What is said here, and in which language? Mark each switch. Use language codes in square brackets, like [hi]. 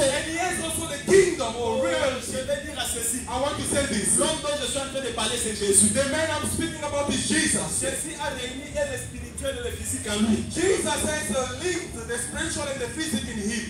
[en] and he has also the kingdom or realm. [fr] Je vais dire à ceci. [en] I want to say this. [fr] L'homme dont je suis en train de parler, c'est Jésus. [en] The man I'm speaking about is Jesus. [fr] Jésus a réuni et le spirituel et le physique en lui. [en] Jesus has linked the spiritual and the physical in him.